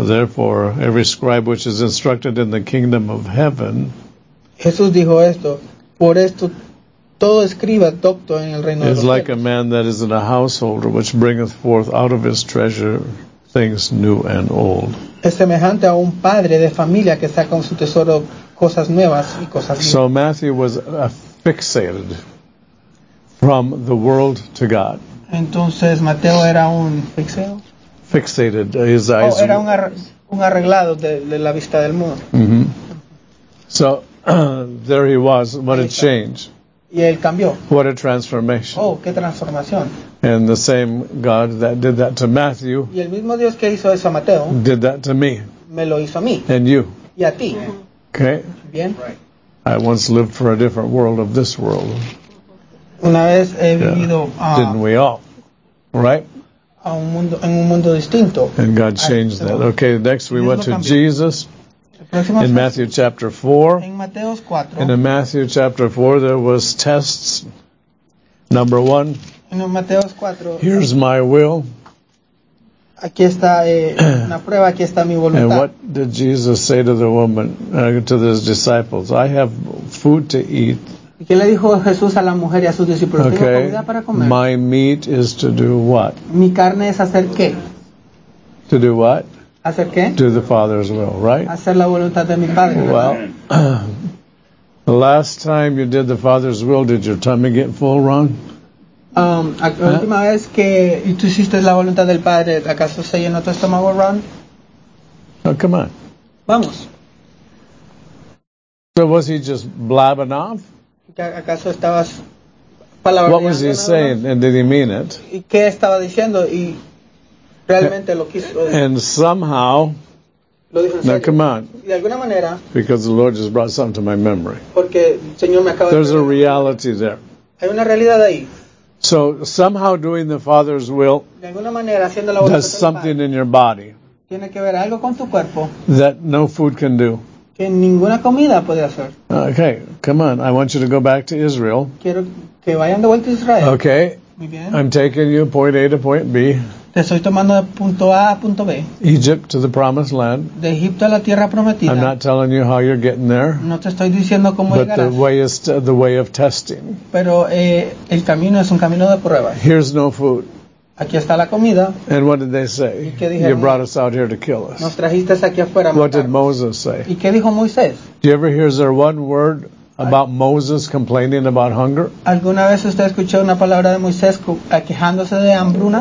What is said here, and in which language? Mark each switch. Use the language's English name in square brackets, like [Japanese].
[English] Therefore, every scribe which is instructed in the kingdom of heaven. [Spanish] Jesús dijo esto. Por esto. Todo escriba docto en el reino de los cielos. [English] Is like a man that is in a householder which bringeth forth out of his treasure things new and old. [Spanish] Es semejante a un padre de familia que saca de su tesoro cosas nuevas y cosas viejas. [English] So Matthew was fixated from the world to God. [Spanish] Entonces Mateo era un [English] fixated. His eyes. [Spanish] Era un arreglado de la vista del mundo. [English] Mm-hmm. So there he was. What a change. [Spanish] Y él cambió. [English] What a transformation. [Spanish] Oh, qué transformación. [English] And the same God that did that to Matthew. [Spanish] Y el mismo Dios que hizo eso a Mateo. [English] Did that to me. [Spanish] Me lo hizo a mí. [English] And you. [Spanish] Y a ti. [English] Okay. [Spanish] Bien. [English] I once lived for a different world of this world. [Spanish] Una vez he vivido a. [English] Didn't we all? Right? [Spanish] A un mundo, en un mundo distinto. [English] And God changed that. Okay, next we went to Jesus. In Matthew chapter 4, in Matthew chapter 4, there was tests. Number one, [Spanish] en Mateos 4, [English] here's my will. [Spanish] Aquí está, una prueba, aquí está mi voluntad. [English] And what did Jesus say to the woman, to his disciples? I have food to eat. [Spanish] ¿Qué le dijo Jesús a la mujer y a sus discípulos? [English] Okay. [Spanish] ¿Tengo comida para comer? [English] My meat is to do what? [Spanish] Mi carne es hacer qué? [English] To do what? [Spanish] ¿Hacer qué? [English] Do the Father's will, right? [Spanish] Hacer la voluntad de mi padre. [English] Well, the last time you did the Father's will, did your tummy get full wrong? [Spanish] Última vez que tú hiciste la voluntad del padre, ¿acaso se llenó tu estómago [English] wrong? Oh, come on. [Spanish] Vamos. [English] So was he just blabbing off? [Spanish] ¿Acaso estabas palabreando? [English] What was he saying, and did he mean it? [Spanish] ¿Y qué estaba diciendo? ¿Y realmente lo quiso decir? [English] And somehow, [Spanish] lo dijo en [English] now [Spanish] serio. [English] Come on, [Spanish] de alguna manera, [English] because the Lord just brought something to my memory. [Spanish] Porque el Señor me acaba [English] there's [Spanish] de [English] a reality there. [Spanish] Hay una realidad ahí. [English] So somehow doing the Father's will [Spanish] de alguna manera, haciendo la voluntad [English] does something in your body [Spanish] tiene que ver algo con tu cuerpo [English] that no food can do. [Spanish] Que ninguna comida puede hacer. [English] Okay, come on, I want you to go back to Israel. [Spanish] Quiero que vayan de vuelta a Israel. [English] Okay. [Spanish] Muy bien. [English] I'm taking you point A to point B. [Spanish] Te estoy tomando de punto A a punto B. [English] Egypt to the promised land. [Spanish] De Egipto a la tierra prometida. [English] I'm not telling you how you're getting there. [Spanish] No te estoy diciendo cómo llegarás. [English] But the way is the way of testing. [Spanish] Pero el camino es un camino de prueba. [English] Here's no food. [Spanish] Aquí está la comida. [English] And what did they say? [Spanish] ¿Y qué dijeron? [English] You brought us out here to kill us. [Spanish] Nos trajiste aquí afuera. [English] What did Moses say? [Spanish] ¿Y qué dijo Moisés? [English] Do you ever hear there one word about Moses complaining about hunger? [Spanish] ¿Alguna vez usted escuchó una palabra de Moisés quejándose de hambruna?